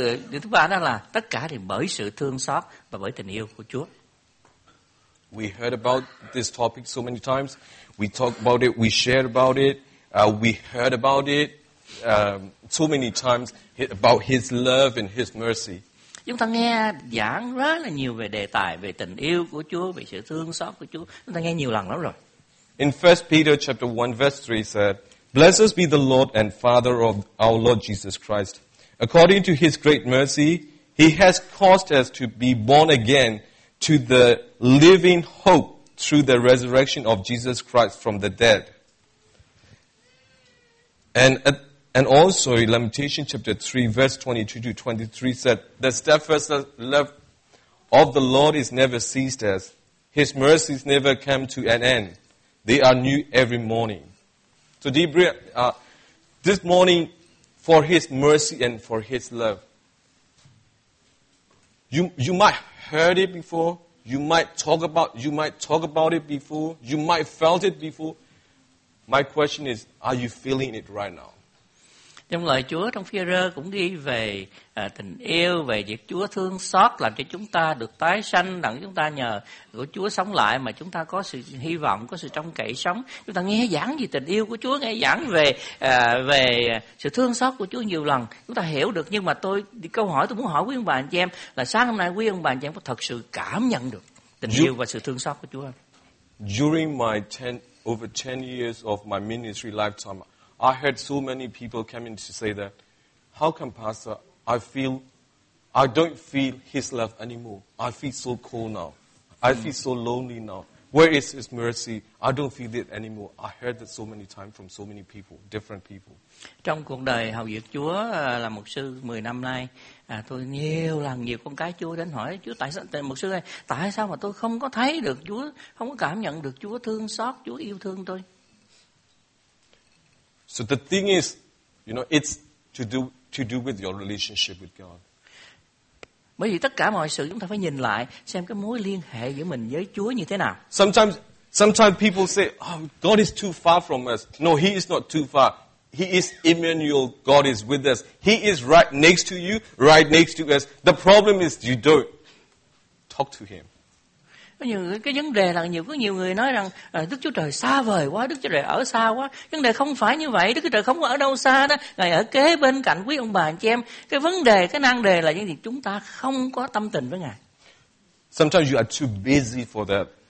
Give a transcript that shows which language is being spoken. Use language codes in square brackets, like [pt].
[vi] Điểm thứ ba đó là tất cả thì bởi sự thương xót và bởi tình yêu của Chúa. [en] We heard about this topic so many times. We talked about it. We shared about it. We heard about it so many times about His love and His mercy. [vi] Chúng ta nghe giảng rất là nhiều về đề tài về tình yêu của Chúa, về sự thương xót của Chúa. Chúng ta nghe nhiều lần lắm rồi. [en] In 1 Peter chapter 1 verse 3 said, "Blessed be the Lord and Father of our Lord Jesus Christ. According to His great mercy, He has caused us to be born again to the living hope through the resurrection of Jesus Christ from the dead." And also, Lamentation chapter 3, verse 22-23 said, "The steadfast love of the Lord is never ceased us. His mercies never come to an end. They are new every morning." So, Debra, this morning, for His mercy and for His love, you might heard it before. You might talk about it before. You might felt it before. My question is, are you feeling it right now? [vi] Trong lời Chúa trong Phi-e-rơ cũng ghi về tình yêu, về việc Chúa thương xót làm cho chúng ta được tái sanh, làm chúng ta nhờ của Chúa sống lại mà chúng ta có sự hy vọng, có sự trông cậy sống. Chúng ta nghe giảng về tình yêu của Chúa, nghe giảng về về sự thương xót của Chúa nhiều lần, chúng ta hiểu được. Nhưng mà câu hỏi tôi muốn hỏi quý ông bà anh chị em là sáng hôm nay quý ông bà anh chị em có thật sự cảm nhận được tình yêu và sự thương xót của Chúa không? [en] During my over 10 years of my ministry lifetime, I heard so many people come in to say that, "How come, Pastor, I don't feel His love anymore. I feel so cold now. I feel so lonely now. Where is His mercy? I don't feel it anymore." I heard that so many times from so many people, different people. [vi] Trong cuộc đời hầu việc Chúa là mục sư 10 năm nay, tôi nhiều lần nhiều con cái Chúa đến hỏi Chúa tại sao, mục sư ơi, tại sao mà tôi không có thấy được Chúa, không có cảm nhận được Chúa thương xót, Chúa yêu thương tôi. [en] So the thing is, you know, it's to do with your relationship with God. [vi] Bởi vì tất cả mọi sự chúng ta phải nhìn lại xem cái mối liên hệ giữa mình với Chúa như thế nào. [en] Sometimes people say, "Oh, God is too far from us." No, He is not too far. He is Emmanuel. God is with us. He is right next to you, right next to us. The problem is you don't talk to Him. [vi] Cái vấn đề là có nhiều người nói rằng Đức Chúa Trời xa vời quá, Đức Chúa Trời ở xa quá. Vấn đề không phải như vậy. Đức Chúa Trời không có ở đâu xa đó. Ngài ở kế bên cạnh quý ông bà anh chị em. Cái vấn đề, cái nan đề là những gì? Chúng ta không có tâm tình với Ngài. [en] Sometimes you are too busy for that.